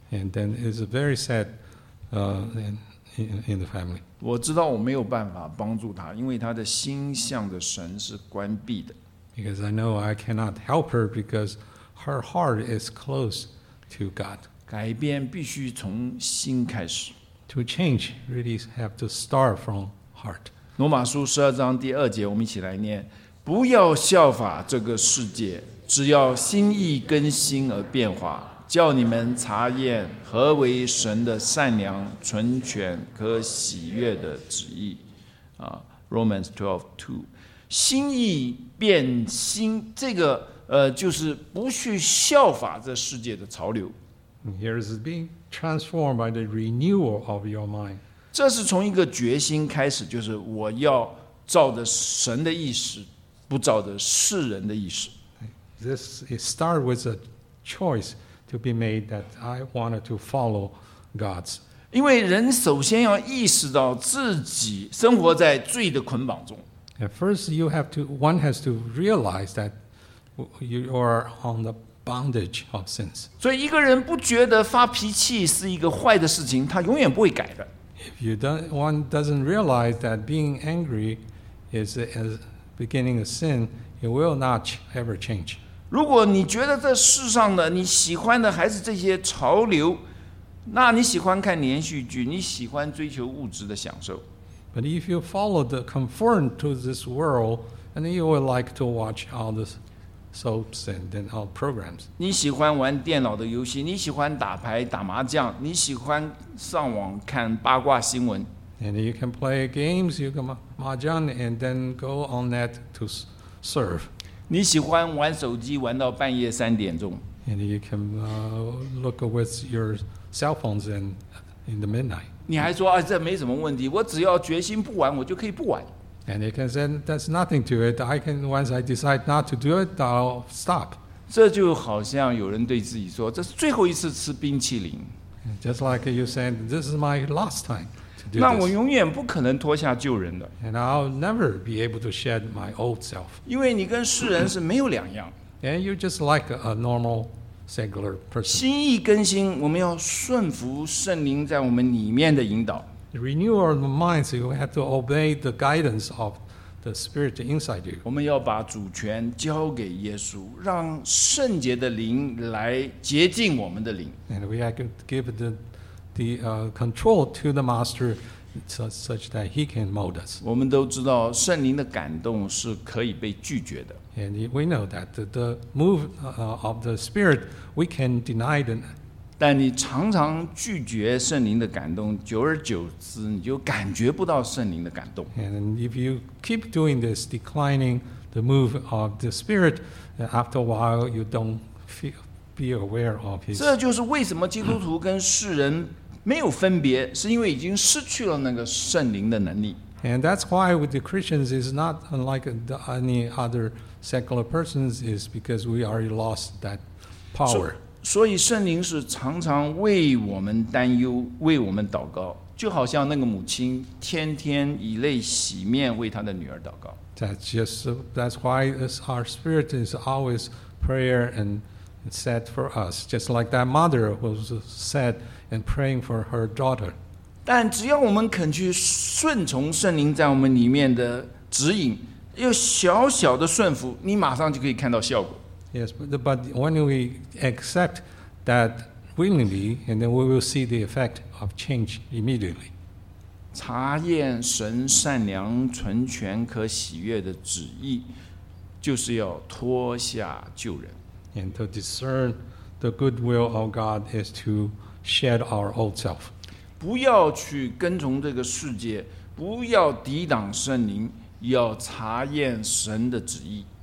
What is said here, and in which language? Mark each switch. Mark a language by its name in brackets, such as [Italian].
[English] And then it's very sad in the family. [Chinese] 我知道我没有办法帮助他，因为他的心向着神是关闭的。 [English] Because I know I cannot help her because her heart is closed to God. [Chinese] 改变必须从心开始。 [English] To change really have to start from heart. [Chinese] 罗马书十二章第二节，我们一起来念。不要效法这个世界，只要心意更新而变化，叫你们查验何为神的善良、纯全、可喜悦的旨意。 Romans 12:2， 心意变新，这个就是不去效法这世界的潮流。 [English] Here is being transformed by the renewal of your mind. [Chinese] 这是从一个决心开始，就是我要照着神的意思。不照着世人的意思。 [English] This it started with a choice to be made that I wanted to follow God's. [Chinese] 因为人首先要意识到自己生活在罪的捆绑中。 [English] At first, one has to realize that you are on the bondage of sins. [Chinese] 所以一个人不觉得发脾气是一个坏的事情，他永远不会改的。 [English] If you don't, one doesn't realize that being angry is asBeginning a sin, it will not ever change. [Chinese] 如果你觉得这世上的你喜欢的还是这些潮流，那你喜欢看连续剧，你喜欢追求物质的享受。 [English] But if you follow the conform to this world, And you would like to watch all the soaps and then all programs. [Chinese] 你喜欢玩电脑的游戏，你喜欢打牌、打麻将，你喜欢上网看八卦新闻。 [English] And you can play games, you can mahjong, and then go on net to surf. [Chinese] 你喜欢玩手机玩到半夜三点钟。 [English] And you can look with your cell phones and in the midnight. [Chinese] 你还说啊，这没什么问题，我只要决心不玩，我就可以不玩。 [English] And you can say that's nothing to it. I can once I decide not to do it, I'll stop. [Chinese] 这就好像有人对自己说，这是最后一次吃冰淇淋。 [English] Just like you said, this is my last time to do this. [Chinese] 那我永远不可能脱下旧人的。 [English] And I'll never be able to shed my old self. [Chinese] 因为你跟世人是没有两样。 [English] And you're just like a normal secular person. [Chinese] 心意更新，我们要顺服圣灵在我们里面的引导。 [English] Renew our minds, you have to obey the guidance of the Spirit inside you. [Chinese] 我们要把主权交给耶稣，让圣洁的灵来洁净我们的灵。 [English] And we have to give the control to the Master such that he can mold us. [Chinese] 我们都知道圣灵的感动是可以被拒绝的。 [English] And we know that the move of the Spirit, we can deny them. [Chinese] 但你常常拒绝圣灵的感动，久而久之，你就感觉不到圣灵的感动。 [English] And if you keep doing this, declining the move of the Spirit, after a while, you don't be aware of His. [Chinese] 这就是为什么基督徒跟世人没有分别，是因为已经失去了那个圣灵的能力。 [English] And that's why with the Christians is not unlike any other secular persons, is because we already lost that power. So, [Chinese] 所以圣灵是常常为我们担忧，为我们祷告，就好像那个母亲天天以泪洗面为她的女儿祷告。 [English] That's why our spirit is always prayer and sad for us, just like that mother was sad and praying for her daughter. [Chinese] 但只要我们肯去顺从圣灵在我们里面的指引，又小小的顺服，你马上就可以看到效果。 [English] Yes, but when we accept that willingly, and then we will see the effect of change immediately. [Chinese] 查验神善良、纯全、可喜悦的旨意，就是要脱下旧人。 [English] And to discern the good will of God is to shed our old self. [Chinese] 不要去跟从这个世界，不要抵挡圣灵，要查验神的旨意。